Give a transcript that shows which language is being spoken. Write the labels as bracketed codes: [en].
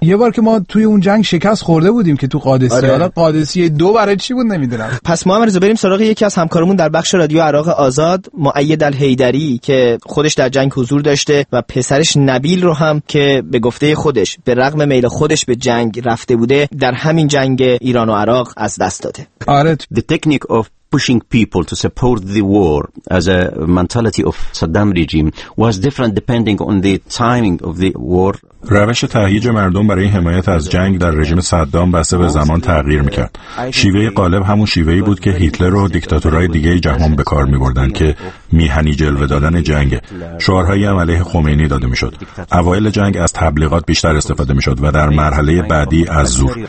[fa] یه بار که ما توی اون جنگ شکست خورده بودیم که تو قادسیه، حالا قادسیه دو برای چی بود نمی‌دونم. پس ما هم رضا بریم سراغ یکی از همکارمون در بخش رادیو عراق آزاد، مؤید الهیدری، که خودش در جنگ حضور داشته و پسرش نبیل رو هم که به گفته خودش به رغم میل خودش به جنگ رفته بوده در همین جنگ ایران و عراق از دست داده. [en] The technique of pushing people to support the war as a mentality of Saddam regime was different depending on the timing of the war. [fa] روش تهییج مردم برای حمایت از جنگ در رژیم صدام بسته به زمان تغییر میکرد. شیوه غالب همون شیوهی بود که هیتلر و دیکتاتورهای دیگه جهان به کار میبردن که میهنی جلوه دادن جنگ. شعارهایی هم علیه خمینی داده میشد. اوایل جنگ از تبلیغات بیشتر استفاده میشد و در مرحله بعدی از زور.